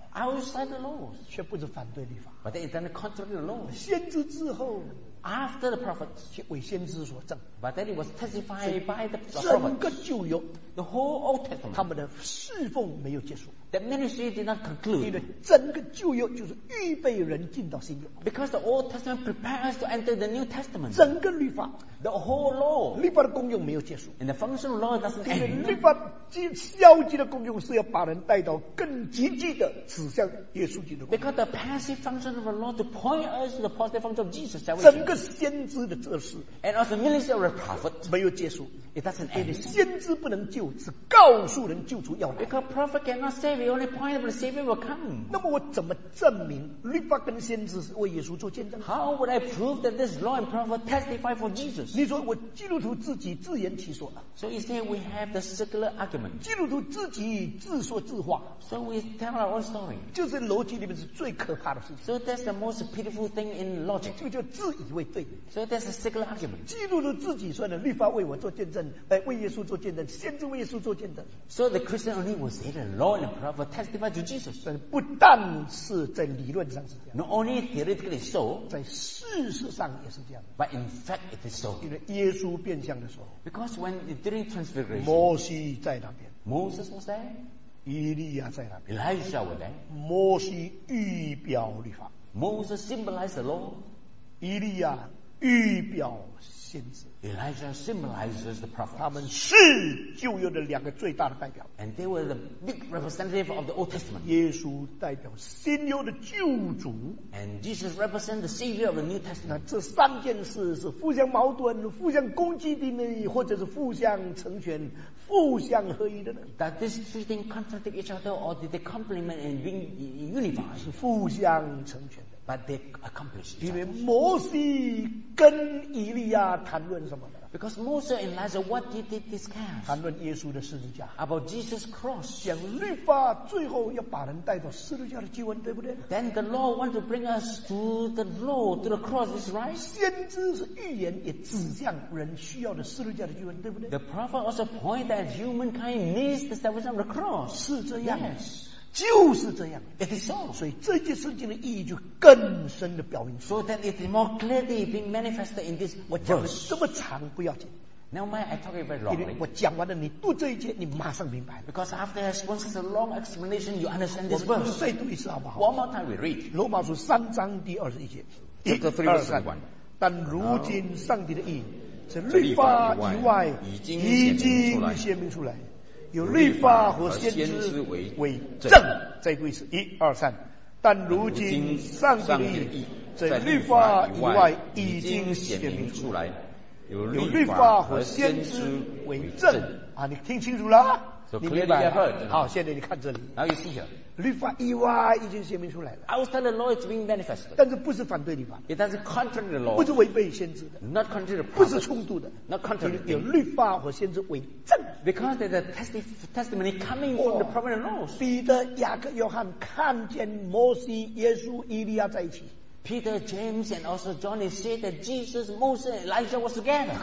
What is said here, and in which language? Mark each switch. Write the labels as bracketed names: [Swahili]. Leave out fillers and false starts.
[English] Outside the laws [Chinese] 却不是反对律法 [English] But then it's not contrary to the law [Chinese] 先知之后 [English] After the prophet [Chinese] 为先知所证 [English] But then it was testified by the prophet [Chinese] 整个旧约 [English] The whole Old Testament [Chinese] 他们的侍奉没有结束 [English] The ministry did not conclude. [Chinese] 因为整个旧约就是预备人进到新约。 [English] Because the Old Testament prepares to enter the New Testament. [Chinese] 整个律法 [English] the whole law. [Chinese] 律法的功用没有结束。 [English] And the function of law doesn't end. [Chinese] 因为律法消极的功用是要把人带到更积极的指向耶稣基督。 [English] Because the passive function of the law to point us to the positive function of Jesus. [Chinese] 整个先知的这事 [English] and also ministry of the prophet [Chinese] 没有结束。 [English] It doesn't end. [Chinese] 先知不能救，只告诉人救主要来。 [English] Because prophet cannot say The only point of the Savior will come. [Chinese] 那么我怎么证明律法跟先知是为耶稣做见证 [English] ？How would I prove that this law and prophet testify for Jesus？ [Chinese] 你说我基督徒自己自言其说 [English] ？So you say we have the circular argument. [Chinese] 基督徒自己自说自话 [English] ？So we tell our own story. [Chinese] 就是逻辑里面是最可怕的事情。 [English] So that's the most pitiful thing in logic. [Chinese] 就叫自以为对。 [English] So that's the circular argument. [Chinese] 基督徒自己说呢，律法为我做见证，为耶稣做见证，先知为耶稣做见证。 [English] So the Christian only will say the law and prophet For testify to Jesus. [Chinese] 不但是在理论上是这样 [English] Not only theoretically so [Chinese] 在事实上也是这样 [English] But in fact it is so [Chinese] 因为耶稣变相的时候 [English] Because when during transfiguration [Chinese] 摩西在那边 [English] Moses was there [Chinese] 以利亚在那边 [English] Elijah was there [Chinese] 摩西预表律法 [English] Moses symbolized the law [Chinese] 以利亚预表先知 [English] Elijah symbolizes the prophet. [Chinese] 他们是旧约的两个最大的代表 [English] And they were the big representative of the Old Testament. [Chinese] 耶稣代表新约的救主 [English] And Jesus represents the Savior of the New Testament. [Chinese] 这三件事是互相矛盾、互相攻击的呢，或者是互相成全、互相合一的呢？ [English] That these three things contradict each other, or did they complement and being unified? [Chinese] 是互相成全。 [English] But they accomplished. [Chinese] 因为摩西跟以利亚谈论什么呢 [English] ？Because Moses and Elijah, what did they discuss? [Chinese] 谈论耶稣的十字架。 [English] About Jesus cross. [Chinese] 讲律法最后要把人带到十字架的救恩，对不对 [English] ？Then the law want to bring us to the law to the cross, is right? [Chinese] 先知是预言，也指向人需要的十字架的救恩，对不对 [English] ？The prophet also point that humankind needs the salvation of the cross. [Chinese] 是这样。 [English] Yes. [Chinese] 就是这样 [English] It is so. [Chinese] 所以这些圣经的意义就更深的表明 [English] So that it is more clearly being manifested in this verse [Chinese] 这么长不要紧 [English] Never mind, I talk very long. [Chinese] 我讲完了，你读这一节，你马上明白。 [English] Because after I spoke such a long explanation, you understand this verse. [Chinese] 我们再读一次好不好 [English] ？One more time we read. [Chinese] 罗马书三章第二十一节。 [English] Chapter 3:21. [Chinese] 但如今上帝的义，这律法以外，已经显明出来。有律法和先知为证，再读一次，一二三。但如今上帝的义，在律法以外已经显明出来，有律法和先知为证啊！你听清楚了？你明白了？好，现在你看这里。 [English] Now you see here. [Chinese] 律法以外已经显明出来了。 [English] I was telling the law is being manifested. [Chinese] 但是不是反对律法 [English] ？It doesn't contradict the law. [Chinese] 不是违背先知的。 [English] Not contradict the law. [Chinese] 不是冲突的。 [English] Not contradict. [Chinese] 有律法和先知为证。 [English] Because there's a testimony coming from the prophet and laws. [Chinese] 彼得、雅各、约翰看见摩西、耶稣、以利亚在一起。 [English] Peter, James, and also Johnny said that Jesus, Moses, and Elijah was together.